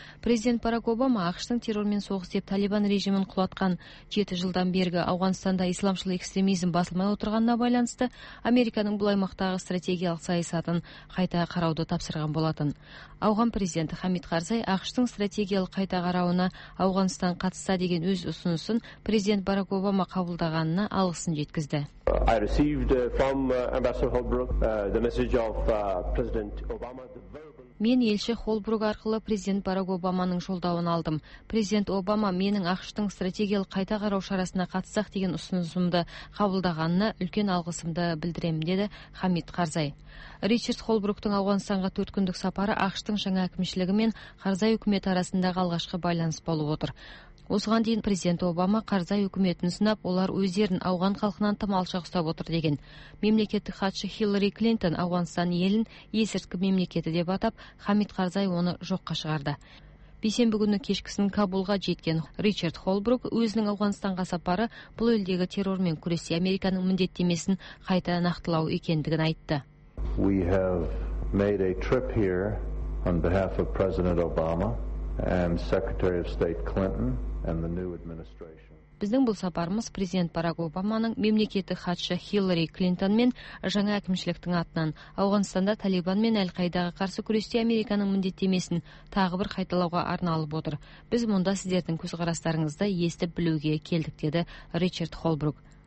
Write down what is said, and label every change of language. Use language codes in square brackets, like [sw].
[kk] Президент Барак Обама АҚШ-тың террормен соғыс деп Талибан режимін құлатқан 7 жылдан бергі Ауғанстанда исламшыл экстремизм басылмай отырғанына байланысты Американың бұл аймақтағы стратегиялық саясатын қайта қарауды тапсырған болатын. Ауған президенті Хамид Қарзай АҚШ-тың стратегиялық қайта қарауына Ауғанстан қатысты деген өз ұсынысын президент Барак Обама қабылдағанына алғысын жеткізді. [en] I received from Ambassador Holbrook the message of President Obama. [kk] Мен елші Холбрук арқылы президент Барак Обаманың жолдауын алдым. Президент Обама менің АҚШ-тың стратегиялық қайта қарау шарасына қатыссақ деген ұсынысымды қабылдағанына үлкен алғысымды білдіремін, деді Хамид Қарзай. Ричард Холбруктың Ауғанстанға 4 күндік сапары АҚШ-тың жаңа әкімшілігі мен Қарзай үкімет арасындағы алғашқы байланыс болып отыр. Осыған дейін президент Обама Қарзай үкіметін сынап, олар өздерін ауған халқынан тым алшақ ұстап отыр деген. Мемлекеттік хатшы Хиллари Клинтон Ауғанстан елін есірткі мемлекеті деп атап, Хамид Қарзай оны жоққа шығарды. Бейсенбі күні кешкісін Кабулға жеткен Ричард Холбрук өзінің Ауғанстанға сапары бұл елдегі террормен күресте Американың міндеттемесін қайта нақтылау екендігін айтты. [en] We have made a trip here on behalf of President Obama and Secretary of State Clinton and the new administration. [kk] Біздің бұл сапарымыз президент Барак Обаманың мемлекеттік хатшы Хиллари Клинтон мен жаңа әкімшіліктің атынан Ауғанстанда Талибан мен Әл-Қайдаға қарсы күресте Американың міндеттемесін тағы бір қайталауға арналып отыр. Біз мұнда сіздердің көзқарастарыңызды естіп білуге келдік, деді Ричард Холбрук.